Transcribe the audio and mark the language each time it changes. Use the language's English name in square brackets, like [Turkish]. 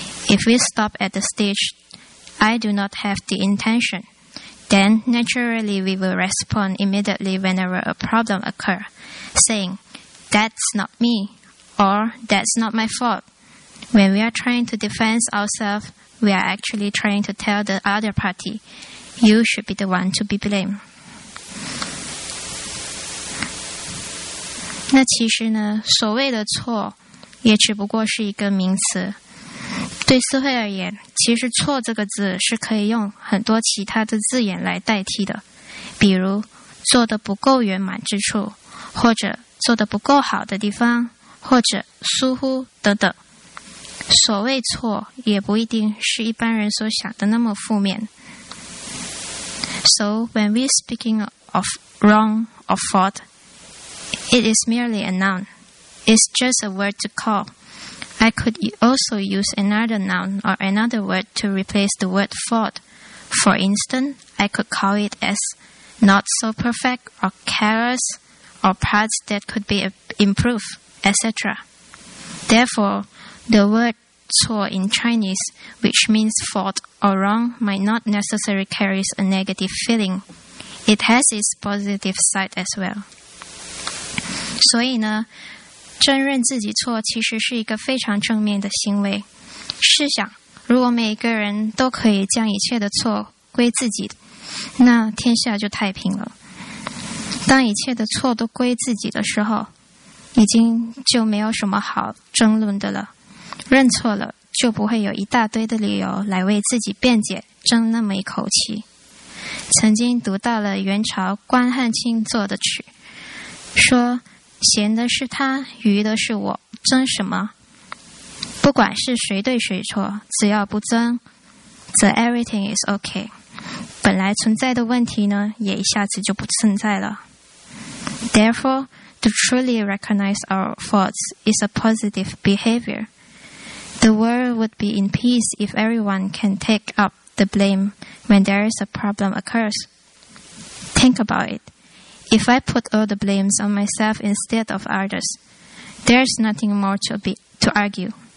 [English] If we stop at the stage, I do not have the intention,Then, naturally, we will respond immediately whenever a problem occurs, saying, That's not me, or that's not my fault. When we are trying to defend ourselves, we are actually trying to tell the other party, You should be the one to be blamed. [Chinese] 那其实呢，所谓的错也只不过是一个名词。对思慧而言，其实错这个字是可以用很多其他的字眼来代替的，比如做得不够圆满之处，或者做得不够好的地方，或者疏忽等等。所谓错也不一定是一般人所想的那么负面。 [English] So when we speaking of wrong or fault, it is merely a noun. It's just a word to callI could also use another noun or another word to replace the word fault. For instance, I could call it as not so perfect or careless or parts that could be improved, etc. Therefore, the word 错 in Chinese, which means fault or wrong, might not necessarily carry a negative feeling. It has its positive side as well. [Chinese] 所以呢承认自己错其实是一个非常正面的行为。试想，如果每一个人都可以将一切的错归自己，那天下就太平了。当一切的错都归自己的时候，已经就没有什么好争论的了。认错了，就不会有一大堆的理由来为自己辩解，争那么一口气。曾经读到了元朝关汉卿作的曲，说闲的是他，愚的是我，争什么？不管是谁对谁错，只要不争，则 [English] everything is okay。 [Chinese] 本来存在的问题呢，也一下子就不存在了。 [English] Therefore, to truly recognize our faults is a positive behavior. The world would be in peace if everyone can take up the blame when there is a problem occurs. Think about it. If I put all the blames on myself instead of others, there's nothing more to argue.